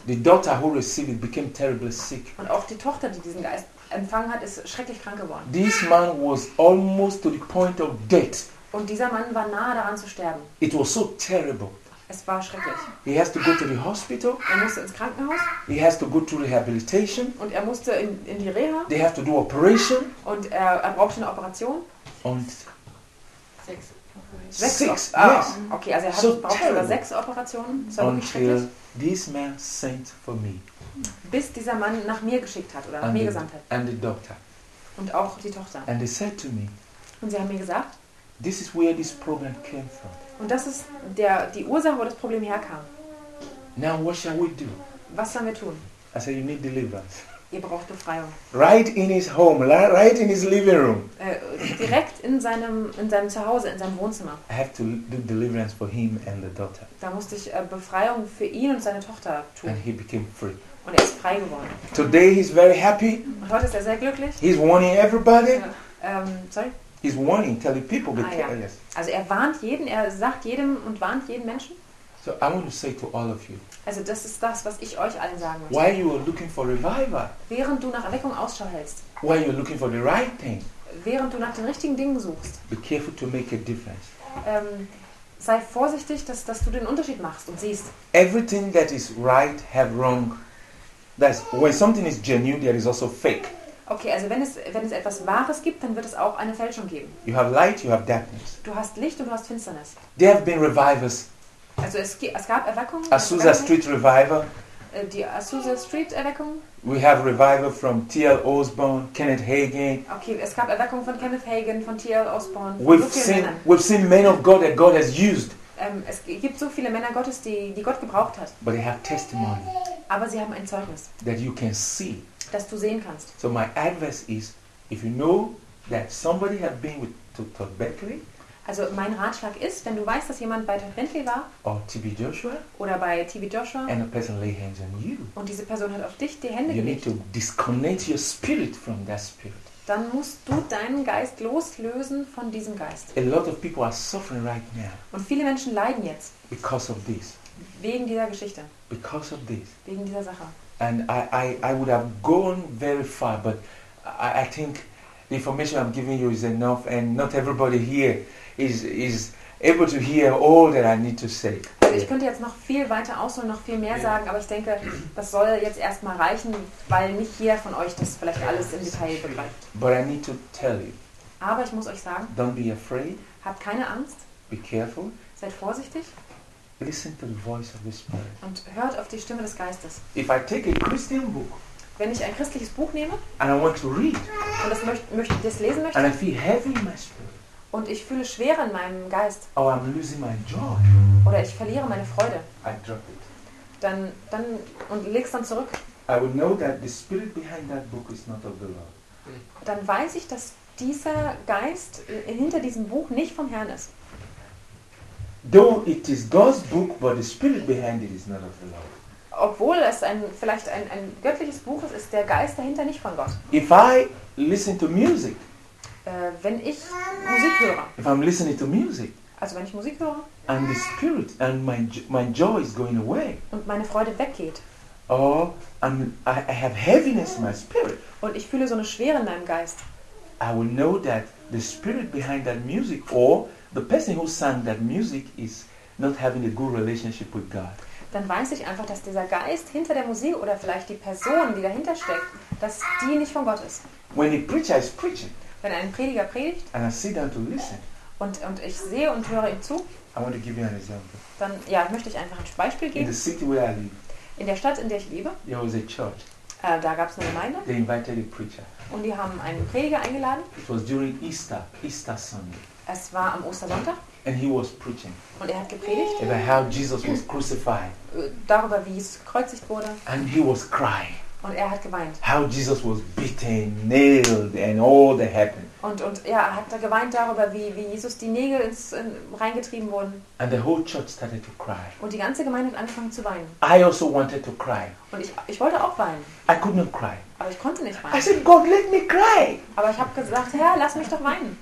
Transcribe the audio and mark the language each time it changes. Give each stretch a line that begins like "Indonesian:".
English: The daughter who received it became terribly sick.
German: Und auch die Tochter, die diesen Geist empfangen hat, ist schrecklich krank geworden.
English: This man was almost to the point of death.
German: Und dieser Mann war nahe daran zu sterben.
English: It was so terrible.
German: Es war schrecklich.
English: He has to go to the hospital.
German: Er musste ins Krankenhaus.
English: He has to go to rehabilitation.
German: Und er musste in die Reha.
English: They have to do operation.
German: Und er brauchte eine Operation. Und sechs Operationen. Das war wirklich schrecklich.
English: This man sent for me.
German: Bis dieser Mann nach mir geschickt hat oder nach mir gesandt hat.
English: And the doctor.
German: Und auch die Tochter.
English: And they said to me.
German: Und sie haben mir gesagt.
English: This is where this problem came from.
German: Und das ist die Ursache, wo das Problem herkam.
English: Now what shall we do?
German: Was sollen wir tun?
English: I said, you need deliverance.
German: Ihr braucht Befreiung.
English: Right in his home, right in his living room.
German: Direkt in seinem Zuhause, in seinem Wohnzimmer.
English: I have to do deliverance for him and the daughter.
German: Da musste ich Befreiung für ihn und seine Tochter tun.
English: And he became free.
German: Und er ist frei geworden.
English: Today he's very happy.
German: Und heute ist er sehr glücklich.
English: He's warning everybody. Sorry. He's warning, telling people be careless.
German: Also er warnt jeden, er sagt jedem und warnt jeden Menschen.
English: So I want to say to all of you.
German: Also das ist das, was ich euch allen sagen möchte.
English: While you are looking for revival.
German: Während du nach Erweckung Ausschau hältst.
English: While you are looking for the right thing.
German: Während du nach den richtigen Dingen suchst.
English: Be careful to make a difference.
German: Sei vorsichtig, dass du den Unterschied machst und siehst.
English: Everything that is right have wrong. That's when something is genuine, there is also fake.
German: Okay, also wenn es etwas Wahres gibt, dann wird es auch eine Fälschung geben.
English: You have light, you have darkness.
German: Du hast Licht und du hast Finsternis.
English: There have been revivals.
German: Also es gab Erweckungen.
English: Azusa Street Revival.
German: Die Azusa Street Erweckung.
English: We have revival from T.L. Osborne, Kenneth Hagin.
German: Okay, es gab Erweckungen von Kenneth Hagin, von T.L. Osborne.
English: We've seen men of God that God has used.
German: Es gibt so viele Männer Gottes, die Gott gebraucht hat.
English: But they have testimony.
German: Aber sie haben ein Zeugnis.
English: That you can see.
German: Dass du sehen kannst.
English: So my advice is, if you know that somebody had been with Todd Bentley.
German: Also mein Ratschlag ist, wenn du weißt, dass jemand bei Todd Bentley war.
English: Or T.B. Joshua.
German: Oder bei T.B. Joshua.
English: And a person lay hands on you.
German: Und diese Person hat auf dich die Hände
English: you
German: gelegt.
English: You need to disconnect your spirit from that spirit.
German: Dann musst du deinen Geist loslösen von diesem Geist.
English: A lot of people are suffering right now.
German: Und viele Menschen leiden jetzt.
English: Because of this.
German: Wegen dieser Geschichte.
English: Because of this.
German: Wegen dieser Sache.
English: And I would have gone very far, but I think the information I'm giving you is enough, and not everybody here is able to hear all that I need to say.
German: Also ich könnte jetzt noch viel weiter ausholen, noch viel mehr sagen, aber ich denke, das soll jetzt erstmal reichen, weil nicht jeder von euch das vielleicht alles im Detail begreift.
English: But I need to tell you.
German: Aber ich muss euch sagen.
English: Don't be afraid.
German: Habt keine Angst.
English: Be careful.
German: Seid vorsichtig.
English: Listen to the voice of the Spirit.
German: Und hört auf die Stimme des Geistes.
English: If I take a Christian book,
German: wenn ich ein christliches Buch nehme,
English: and I want to read,
German: und das lesen möchte,
English: and I feel heavy in my spirit,
German: und ich fühle schwer in meinem Geist,
English: or I'm losing my joy,
German: oder ich verliere meine Freude,
English: I drop it.
German: Dann und leg's dann zurück.
English: I would know that the spirit behind that book is not of the Lord.
German: Dann weiß ich, dass dieser Geist hinter diesem Buch nicht vom Herrn ist.
English: Though it is God's book, but the spirit behind it is not of the Lord.
German: Obwohl es vielleicht ein göttliches Buch ist, ist der Geist dahinter nicht von Gott.
English: If I listen to music,
German: wenn ich Musik höre,
English: if I'm listening to music,
German: also wenn ich Musik höre,
English: and the spirit and my joy is going away,
German: und meine Freude weggeht,
English: or I have heaviness in my spirit,
German: und ich fühle so eine Schwere in meinem Geist,
English: I will know that the spirit behind that music or the person who sang that music is not having a good relationship with God.
German: Dann weiß ich einfach, dass dieser Geist hinter der Musik oder vielleicht die Person, die dahinter steckt, dass die nicht von Gott ist.
English: When a preacher is preaching,
German: wenn ein Prediger predigt,
English: and I sit down to listen,
German: und ich sehe und höre ihm zu,
English: I want to give you an example.
German: Dann möchte ich einfach ein Beispiel geben.
English: In the city where I live,
German: in der Stadt, in der ich lebe,
English: there was a church.
German: Da gab es eine Gemeinde.
English: They invited a preacher.
German: Und die haben einen Prediger eingeladen.
English: It was during Easter Sunday.
German: Es war am Ostersonntag.
English: And he was preaching.
German: Und er hat gepredigt.
English: About how Jesus was crucified.
German: Darüber, wie Jesus gekreuzigt wurde.
English: And he was crying.
German: Und er hat geweint.
English: How Jesus was beaten, nailed, and all that happened.
German: Und er hat da geweint darüber, wie Jesus die Nägel reingetrieben wurden.
English: And the whole church started to cry.
German: Und die ganze Gemeinde hat angefangen zu weinen.
English: I also wanted to cry.
German: Und ich wollte auch weinen.
English: I could not cry.
German: Aber ich konnte nicht weinen.
English: I said, God, let me cry.
German: Aber ich habe gesagt, Herr, lass mich doch weinen.